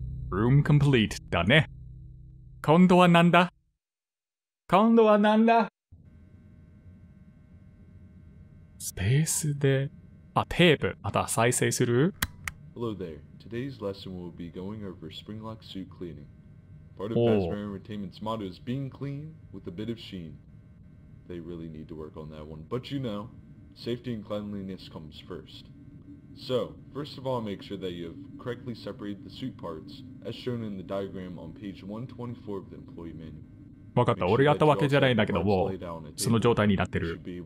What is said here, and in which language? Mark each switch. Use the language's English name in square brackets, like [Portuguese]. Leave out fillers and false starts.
[Japanese] ルームコンプリートだね。今度はなんだ？今度はなんだ？スペースで、あ、テープ、また再生する？ [English] Hello there. Today's lesson will be going over Springlock suit cleaning. Part of Fazbear Entertainment's motto is being clean with a bit of sheen. They really need to work on that one. But you know, safety and cleanliness comes first. So, first of all, make sure that you have correctly separated the suit parts, as shown in the diagram on page 124 of the employee manual. [Japanese] わかった。俺やったわけじゃないんだけど、もう、その状態になってる。